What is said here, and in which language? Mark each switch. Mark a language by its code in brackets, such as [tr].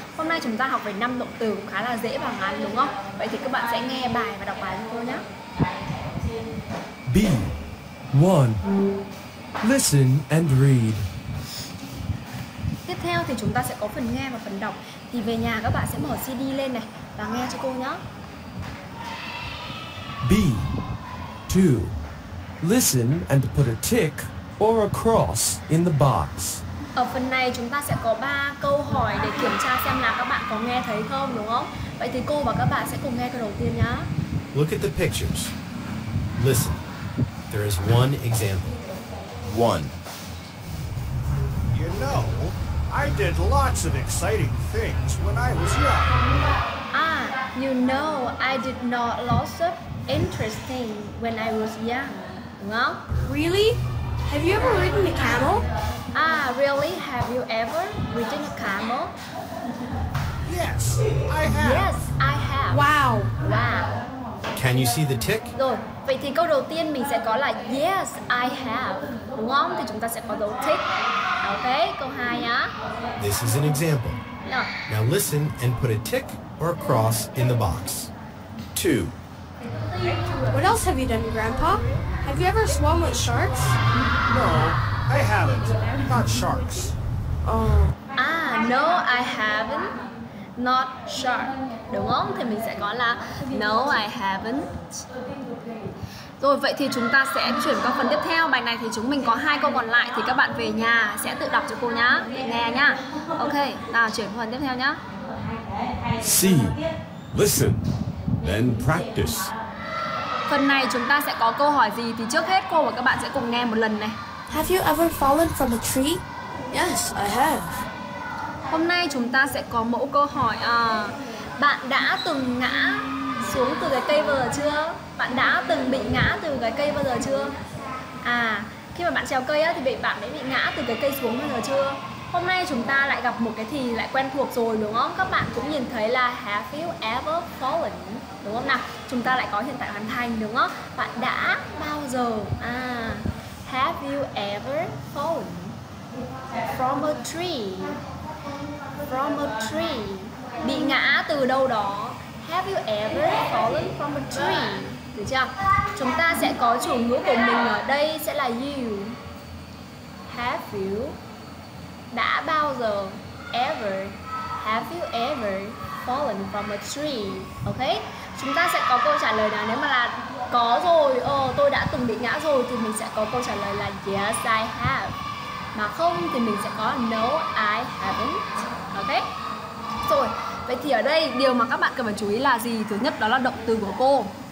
[vi] Hôm nay chúng ta học về 5 động từ cũng khá là dễ và ngắn, đúng không? Vậy thì các bạn sẽ nghe bài và đọc bài cho cô nhá. [en] B. 1. Listen and read. [vi] Tiếp theo thì chúng ta sẽ có phần nghe và phần đọc. Thì về nhà các bạn sẽ mở CD lên này và nghe cho cô nhá. [en] B. 2. Listen and put a tick or a cross in the box. [vi] Ở phần này chúng ta sẽ có 3 câu hỏi để kiểm tra xem là các bạn có nghe thấy không, đúng không? Vậy thì cô và các bạn sẽ cùng nghe câu đầu tiên nhá. [en] Look at the pictures. Listen. There is one example. 1. You know, I did lots of exciting things when I was young. Ah, you know, I did not lots of interesting when I was young. Well, really? Have you ever ridden a camel? Ah, really? Have you ever ridden a camel? Yes, I have. Yes, I have. Wow. Wow. Can you see the tick? [vi] Rồi, vậy thì câu đầu tiên mình sẽ có là [en] Yes, I have. [vi] Đúng không? Thì chúng ta sẽ có dấu tick. Ok, câu 2 nhá. [en] This is an example. Yeah. Now listen and put a tick or a cross in the box. 2. What else have you done, Grandpa? Have you ever swum with sharks? No, I haven't. Not sharks. Ah, no, I haven't. Not shark. [vi] Đúng không? Thì mình sẽ có là [en] No, I haven't. [vi] Rồi, vậy thì chúng ta sẽ chuyển qua phần tiếp theo. Bài này thì chúng mình có 2 câu còn lại. Thì các bạn về nhà sẽ tự đọc cho cô nhá. Để nghe nhá. Ok, nào chuyển qua phần tiếp theo nhá. [en] C. Listen, then practice. [vi] Phần này chúng ta sẽ có câu hỏi gì? Thì trước hết cô và các bạn sẽ cùng nghe một lần này. [en] Have you ever fallen from a tree? Yes, I have. [vi] Hôm nay chúng ta sẽ có mẫu câu hỏi bạn đã từng ngã xuống từ cái cây bao giờ chưa? Bạn đã từng bị ngã từ cái cây bao giờ chưa? À, khi mà bạn trèo cây á, thì bạn ấy bị ngã từ cái cây xuống bao giờ chưa? Hôm nay chúng ta lại gặp một cái thì lại quen thuộc rồi, đúng không? Các bạn cũng nhìn thấy là [en] Have you ever fallen? [vi] Đúng không nào? Chúng ta lại có hiện tại hoàn thành, đúng không? Bạn đã bao giờ? [en] À, Have you ever fallen from a tree? From a tree. [vi] Bị ngã từ đâu đó? [en] Have you ever fallen from a tree? [vi] Được chưa? Chúng ta sẽ có chủ ngữ của mình ở đây sẽ là you. [en] Have you? [vi] Đã bao giờ? [en] Ever? Have you ever fallen from a tree? Ok? [vi] Chúng ta sẽ có câu trả lời nào nếu mà là có rồi, tôi đã từng bị ngã rồi thì mình sẽ có câu trả lời là [en] yes, I have. [vi] Mà không thì mình sẽ có [en] no, I haven't. [vi] Ok. Rồi, vậy thì ở đây điều mà các bạn cần phải chú ý là gì? Thứ nhất đó là động từ của cô.